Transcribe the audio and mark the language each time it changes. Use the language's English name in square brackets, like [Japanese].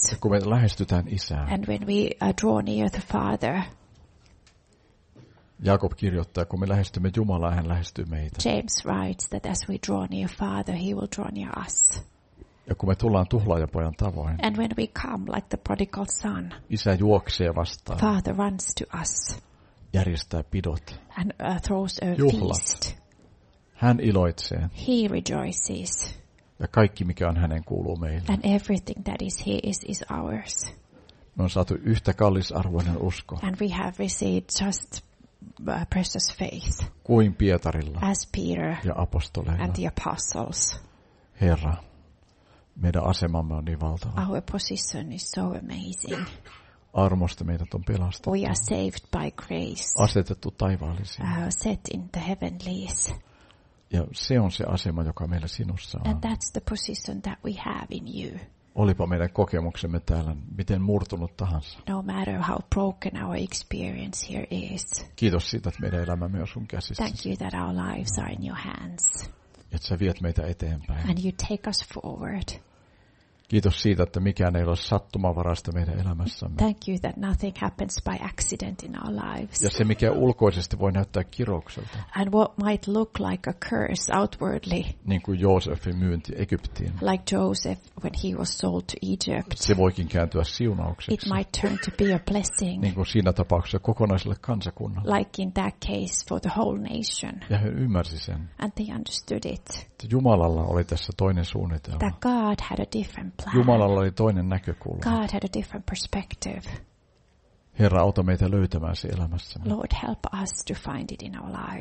[Finnish] Ja kun me lähestytään isää. [English] And when we draw near the father. [Finnish] Jakob kirjoittaa, kun me lähestymme Jumalaa, hän lähestyy meitä. [English] James writes that as we draw near father, he will draw near us. [Finnish] Ja kun me tullaan tuhlaajapojan tavoin. [English] And when we come like the prodigal son. [Finnish] Isä juoksee vastaan. [English] Father runs to us. [Finnish] Järjestää pidot. [English] And throws a [Finnish] juhlat. [English] Feast. [Finnish] Hän iloitsee. [English] He rejoices. [Finnish] Ja kaikki mikä on hänen kuuluu meille. [English] And everything that is his is ours. [Finnish] Me on saatu yhtä kallisarvoinen usko. [English] And we have received just precious faith. [Finnish] Kuin Pietarilla. [English] As Peter. [Finnish] Ja apostoleilla. [English] And the apostles. [Finnish] Herra, meidän asemamme on niin valtava. [English] Our position is so amazing. [Finnish] Armosta meidät on pelastettu. [English] We are saved by grace. [Finnish] Asetettu taivaallisiin. [English] Set in the heavenlies. [Finnish] Ja se on se asema, joka meillä sinussa on. [English] And that's the position that we have in you. [Finnish] Olipa meidän kokemuksemme täällä, miten murtunut tahansa. [English] No matter how broken our experience here is. [Finnish] Kiitos siitä, että meidän elämämme on sun käsissä. [English] Thank you that our lives are in your hands. [Finnish] Että sä viet meitä eteenpäin. [English] And you take us forward. [Finnish] Kiitos siitä, että mikään ei ole sattumanvaraista meidän elämässämme. [English] Thank you that nothing happens by accident in our lives. [Finnish] Ja se, mikä ulkoisesti voi näyttää kiroukselta. [English] And what might look like a curse outwardly. [Finnish] Niin kuin Joosefin myynti Egyptiin. [English] Like Joseph when he was sold to Egypt. [Finnish] Se voikin kääntyä siunaukseksi. [English] It might turn to be a blessing. [Finnish] Niin kuin siinä tapauksessa kokonaiselle kansakunnalle. [English] Like in that case for the whole nation. [Finnish] Ja he ymmärsi sen. [English] And they understood it. [Finnish] Jumalalla oli tässä toinen suunnitelma. [English] That God had a different plan. [Finnish] Jumalalla oli toinen näkökulma. [English] God had a different perspective. [Finnish] Herra, auta meitä löytämään se elämässämme. [English] Lord, help us to find it in our lives.